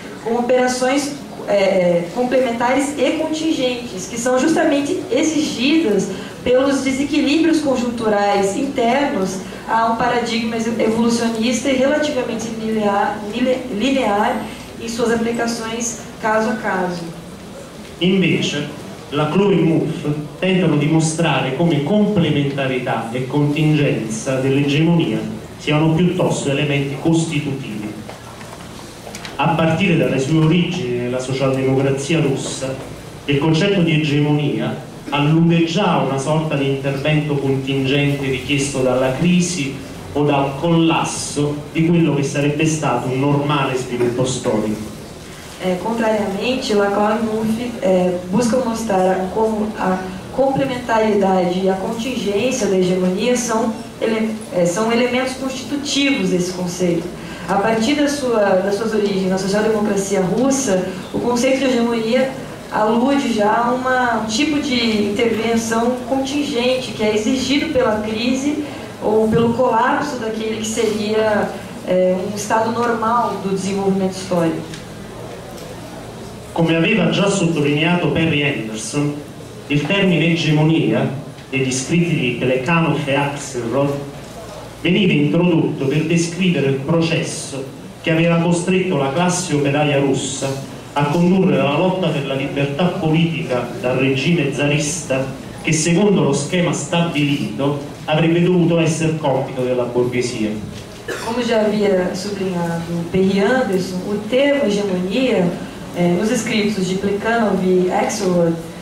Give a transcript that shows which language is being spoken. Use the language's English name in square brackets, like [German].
[Portuguese] Com operações complementares e contingentes, que são justamente exigidas pelos desequilíbrios conjunturais internos a um paradigma evolucionista e relativamente linear em suas aplicações caso a caso. [Italian] Invece, Laclau e Mouffe tentano di mostrare come complementarità e contingenza dell'egemonia siano piuttosto elementi costitutivi. A partire dalle sue origini nella socialdemocrazia russa, il concetto di egemonia allude già a una sorta di intervento contingente richiesto dalla crisi o dal collasso di quello che sarebbe stato un normale sviluppo storico. [Portuguese] Contrariamente, Laclau e Mouffe buscam mostrar como a complementariedade e a contingência da hegemonia são elementos constitutivos desse conceito. A partir das suas origens na social-democracia russa, o conceito de hegemonia alude já a um tipo de intervenção contingente que é exigido pela crise ou pelo colapso daquele que seria um estado normal do desenvolvimento histórico. [Italian] Come aveva già sottolineato Perry Anderson, il termine egemonia, negli scritti di Plekhanov e Axelrod, veniva introdotto per descrivere il processo che aveva costretto la classe operaia russa a condurre la lotta per la libertà politica dal regime zarista che, secondo lo schema stabilito, avrebbe dovuto essere compito della borghesia. Come già aveva sottolineato Perry Anderson, il termine egemonia [Portuguese] nos escritos de [Italian] Plekhanov e Axelrod,